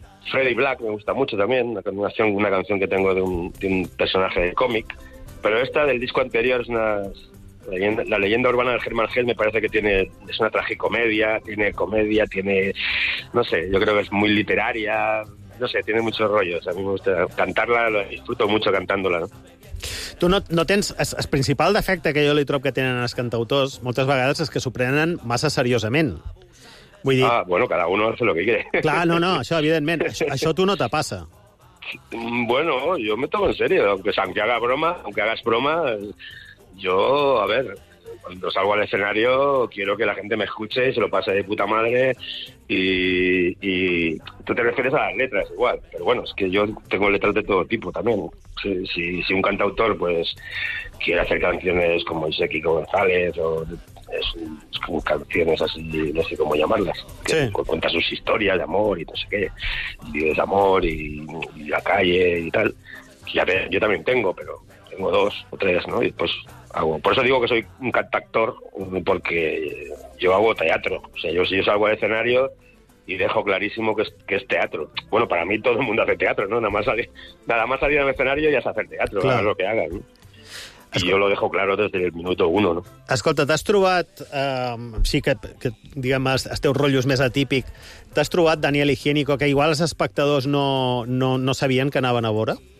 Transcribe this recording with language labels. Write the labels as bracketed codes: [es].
[es] Freddie Black me gusta mucho también, una canción que tengo de un personaje de cómic, pero esta del disco anterior es una... La leyenda urbana de Hermann Hesse me parece que es una tragicomedia, tiene comedia, no sé, yo creo que es muy literaria, no sé, tiene muchos rollos. A mí me gusta cantarla, lo disfruto mucho cantándola, ¿no? [ca] Tu no tens... El principal defecte que jo li trobo que tenen els cantautors moltes vegades és que s'ho prenen massa seriosament. Vull dir... [es] Ah, bueno, cada uno hace lo que quiere. [ca] Clar, no, això, evidentment, això tu no te passa. [es] Bueno, yo me tomo en serio, aunque hagas broma... Yo, a ver, cuando salgo al escenario quiero que la gente me escuche y se lo pase de puta madre y tú te refieres a las letras igual, pero bueno, es que yo tengo letras de todo tipo también. Si un cantautor pues quiere hacer canciones como dice Kiko González o es como canciones así, no sé cómo llamarlas, que cuenta sus historias de amor y no sé qué, y desamor y la calle y tal, yo también tengo, pero tengo dos o tres, ¿no? Y pues hago. Por eso digo que soy un cantautor, porque yo hago teatro. O sea, yo salgo al escenario y dejo clarísimo que es teatro. Bueno, para mí todo el mundo hace teatro, ¿no? Nada más salir al escenario ya es hacer teatro, claro. Hagas lo que hagas, ¿no? Y yo lo dejo claro desde el minuto uno, ¿no? [ca] Escolta, t'has trobat, sí que diguem, el teu rotllo és més atípic, t'has trobat Daniel Higiénico, que igual els espectadors no sabien que anaven a veure?